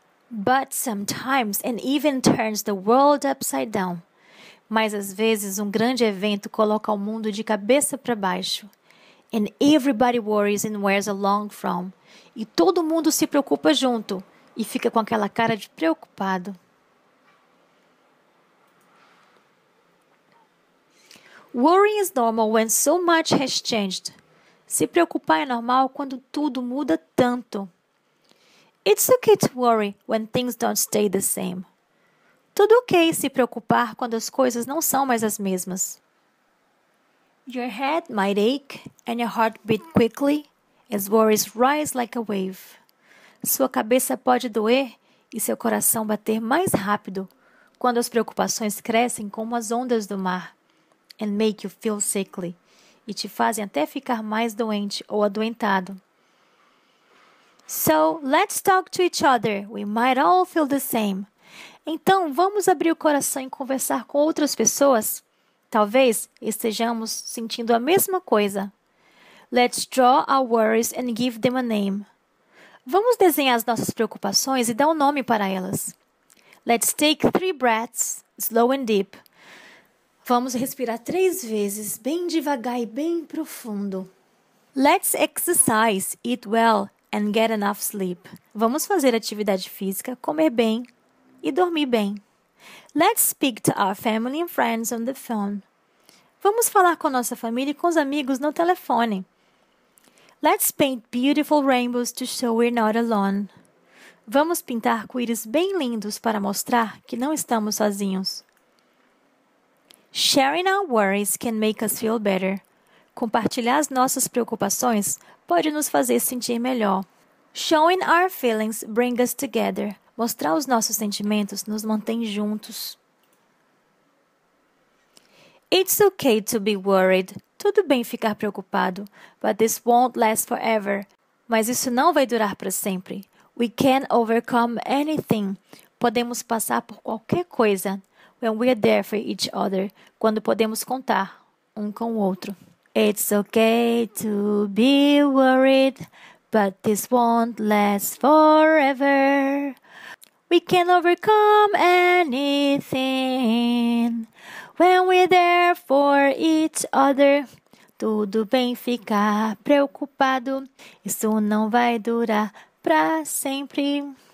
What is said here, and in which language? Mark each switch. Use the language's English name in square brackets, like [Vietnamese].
[English] But sometimes an event turns the world upside down. [Portuguese] Mas às vezes um grande evento coloca o mundo de cabeça para baixo. [English] And everybody worries and wears a long frown. [Portuguese] E todo mundo se preocupa junto e fica com aquela cara de preocupado. [English] Worrying is normal when so much has changed. [Portuguese] Se preocupar é normal quando tudo muda tanto. [English] It's okay to worry when things don't stay the same. [Portuguese] Tudo ok se preocupar quando as coisas não são mais as mesmas. [English] Your head might ache and your heart beat quickly as worries rise like a wave. [Portuguese] Sua cabeça pode doer e seu coração bater mais rápido quando as preocupações crescem como as ondas do mar [English] and make you feel sickly [Portuguese] e te fazem até ficar mais doente ou adoentado. [English] So, let's talk to each other. We might all feel the same. [Portuguese] Então, vamos abrir o coração e conversar com outras pessoas? Talvez estejamos sentindo a mesma coisa. [English] Let's draw our worries and give them a name. [Portuguese] Vamos desenhar as nossas preocupações e dar um nome para elas. [English] Let's take three breaths, slow and deep. [Portuguese] Vamos respirar três vezes, bem devagar e bem profundo. [English] Let's exercise, eat well and get enough sleep. [Portuguese] Vamos fazer atividade física, comer bem e dormir bem. [English] Let's speak to our family and friends on the phone. [Portuguese] Vamos falar com nossa família e com os amigos no telefone. [English] Let's paint beautiful rainbows to show we're not alone. [Portuguese] Vamos pintar arco-íris bem lindos para mostrar que não estamos sozinhos. [English] Sharing our worries can make us feel better. [Portuguese] Compartilhar as nossas preocupações pode nos fazer sentir melhor. [English] Showing our feelings brings us together. [Portuguese] Mostrar os nossos sentimentos nos mantém juntos. [English] It's okay to be worried. [Portuguese] Tudo bem ficar preocupado. [English] But this won't last forever. [Portuguese] Mas isso não vai durar para sempre. [English] We can overcome anything. [Portuguese] Podemos passar por qualquer coisa. [English] When we are there for each other. [Portuguese] Quando podemos contar um com o outro. [English] It's okay to be worried. But this won't last forever. We can overcome anything when we're there for each other. [Portuguese] Tudo bem ficar preocupado, isso não vai durar pra sempre.